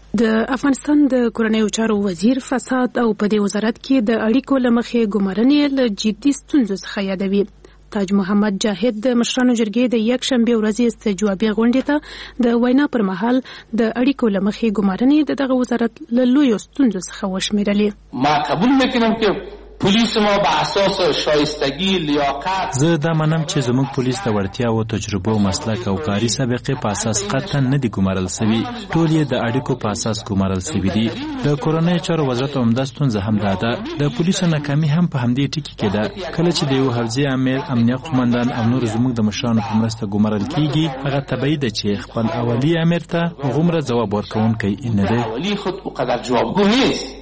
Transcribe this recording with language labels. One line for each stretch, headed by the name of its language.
Pashto: د افغانستان د کورنیو چارو وزیر فساد او په دې وزارت کې د اړیکو له مخې ګمارنې له جدي ستونزو څخه یادوي. تاج محمد جاهد د مشرانو جرګې د یک شنبه ورځې استجوابي غونډې ته د وینا پر مهال د اړیکو له مخې ګمارنې د دغه وزارت له لویو ستونزو څخه وشمیرلې.
Persian: ما قبول میکنم که پولیس ما با اساس شایستگی، لیاقت،
Pashto: زه دا منم چې زموږ پولیس د وړتیا او تجربه او مسلک او کاري سابقې په اساس قطعا نه دي ګمارل سوي. ټول یې د اړیکو په اساس ګمارل سوي دي. د کورنۍ چارو وزارت هم د ستونزه هم داده. د پولیسو ناکامي هم په همدې ټکي کې ده. کله چې د یو حوزې امیر، امنیت قومندان او نور زموږ د مشرانو په مرسته ګمارل کیږي، هغه طبیعي ده چې خپل اولي امیر ته غومره ځواب ورکوونکی نه دی.